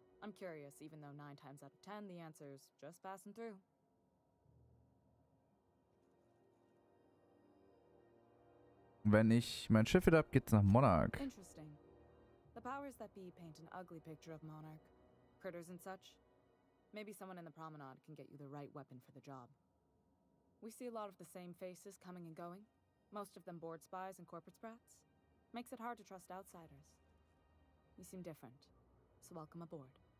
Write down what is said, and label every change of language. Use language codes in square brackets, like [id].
[en] I'm curious, even though 9 times out of 10 the answer is just passing through. [de] Wenn ich mein Schiff wieder hab, geht's nach Monarch. [en] Interesting. The powers that be paint an ugly picture of Monarch. Critters and such. Maybe someone in the promenade can get you the right weapon for the job. We see a lot of the same faces coming and going. Most of them board spies and corporate sprats. Makes it hard to trust outsiders. You seem different. So welcome aboard.